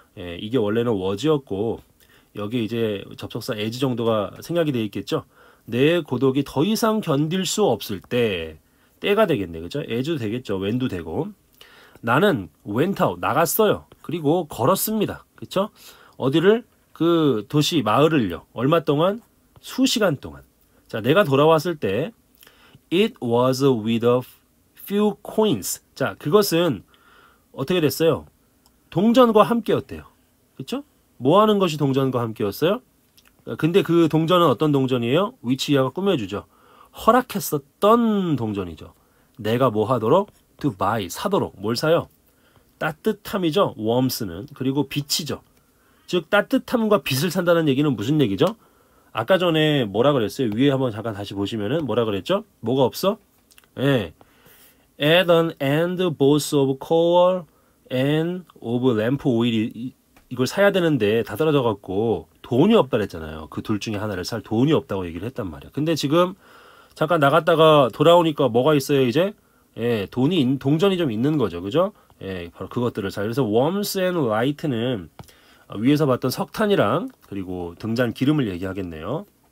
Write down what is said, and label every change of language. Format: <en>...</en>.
<ko>예, 이게 원래는 was였고 여기 이제 접속사 as 정도가 생략이 돼 있겠죠? 내 고독이 더 이상 견딜 수 없을 때, 때가 되겠네, 그쵸? as도 되겠죠, when도 되고. 나는</ko> <en>went out,</en> <ko>나갔어요. 그리고 걸었습니다, 그쵸? 어디를? 그 도시, 마을을요. 얼마 동안? 수시간 동안. 자, 내가 돌아왔을 때,</ko> <en>it was with a few coins.</en> <ko>자, 그것은 어떻게 됐어요? 동전과 함께였대요. 그쵸? 뭐 하는 것이 동전과 함께였어요? 근데 그 동전은 어떤 동전이에요? which 얘가 꾸며주죠. 허락했었던 동전이죠. 내가 뭐 하도록?</ko> <en>to buy,</en> <ko>사도록. 뭘 사요? 따뜻함이죠. warmth는. 그리고 빛이죠. 즉 따뜻함과 빛을 산다는 얘기는 무슨 얘기죠? 아까 전에 뭐라 그랬어요? 위에 한번 잠깐 다시 보시면은 뭐라 그랬죠? 뭐가 없어? 예.</ko> <en>Add an end both of coal and of lamp oil.</en> <ko>이걸 사야 되는데 다 떨어져 갖고 돈이 없다 그랬잖아요. 그 둘 중에 하나를 살 돈이 없다고 얘기를 했단 말이야. 근데 지금 잠깐 나갔다가 돌아오니까 뭐가 있어요, 이제? 예, 돈이 동전이 좀 있는 거죠. 그죠? 예, 바로 그것들을 사. 그래서</ko> <en>warmth and light</en> <ko>는 위에서 봤던 석탄이랑 그리고 등잔 기름을 얘기하겠네요.</ko>